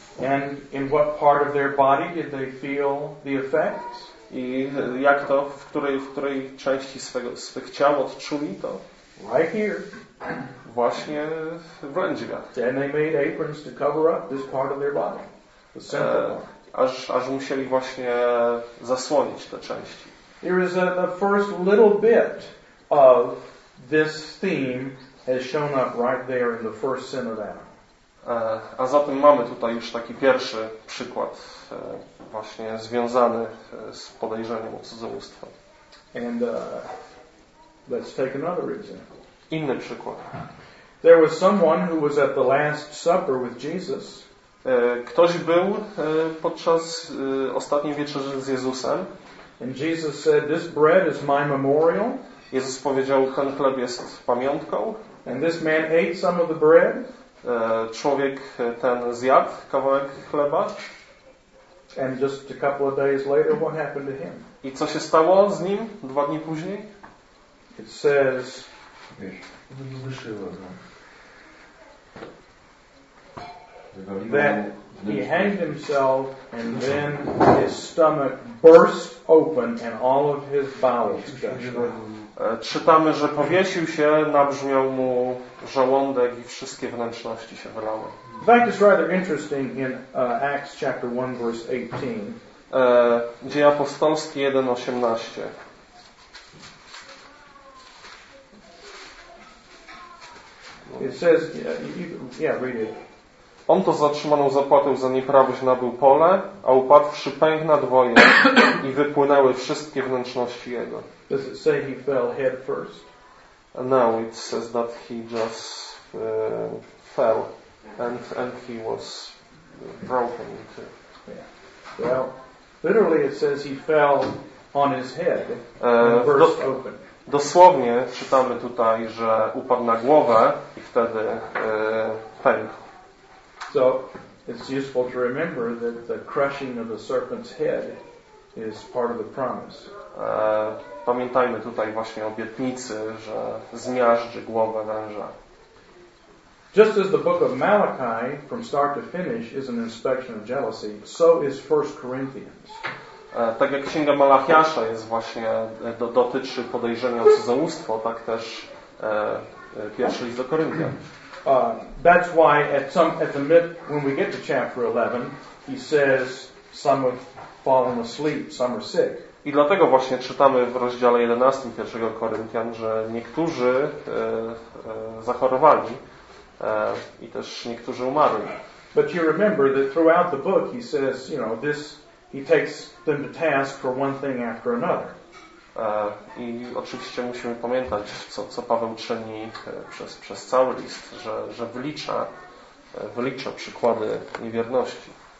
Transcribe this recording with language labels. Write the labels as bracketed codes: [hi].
[en] And in what part of their body did they feel the effects? [pl] I jak to, w której części swych ciał odczuli to? [en] Right here. [pl] Właśnie w lędźwiach. [en] Then they made aprons to cover up this part of their body. The center part. [pl] Aż musieli właśnie zasłonić te części. [en] Here is the first little bit of this theme has shown up right there in the first sin of Adam. [pl] A zatem mamy tutaj już taki pierwszy przykład właśnie związany z podejrzeniem o cudzołóstwo. [en] And let's take another example. [pl] Inny przykład. [en] There was someone who was at the Last Supper with Jesus. [pl] Ktoś był podczas ostatniej wieczerzy z Jezusem. [en] And Jesus said, "This bread is my memorial." [pl] Jezus powiedział, ten chleb jest pamiątką. [en] And this man ate some of the bread. [pl] Człowiek ten zjadł kawałek chleba. [en] And just a couple of days later, what happened to him? [pl] I co się stało z nim dwa dni później? [en] It says, that he hanged himself and then his stomach burst open and all of his bowels gushed out. [pl] Czytamy, że powiesił się, nabrzmiał mu żołądek i wszystkie wnętrzności się wylały. [en] In fact, it's rather interesting in Acts chapter 1 verse 18. [pl] Dzieje apostolskie 1:18. [en] It says, yeah, read it. [pl] On to zatrzymaną zapłatę za nieprawość nabył pole, a upadłszy pękł na dwoje i wypłynęły wszystkie wnętrzności jego. [en] Does it say he fell head first? No, it says that he just fell and he was broken into. Yeah. Well, literally it says he fell on his head and burst open. [pl] Dosłownie czytamy tutaj, że upadł na głowę i wtedy pękł. [en] So it's useful to remember that the crushing of the serpent's head is part of the promise. [pl] Pamiętajmy tutaj właśnie o obietnicy, że zmiażdży głowę węża. [en] Just as the book of Malachi from start to finish is an inspection of jealousy, so is 1 Corinthians. [pl] Tak jak Księga Malachiasza jest właśnie dotyczy podejrzenia o cudzołóstwo, tak też pierwszy list do Koryntian. [en] That's why when we get to chapter 11, he says some have fallen asleep, some are sick. [pl] I dlatego właśnie czytamy w rozdziale 11 pierwszego Koryntian, że niektórzy zachorowali i też niektórzy umarli. [en] But you remember that throughout the book he says, you know, this he takes them to task for one thing after another. [pl] I oczywiście musimy pamiętać, co Paweł czyni przez cały list, że wylicza przykłady niewierności.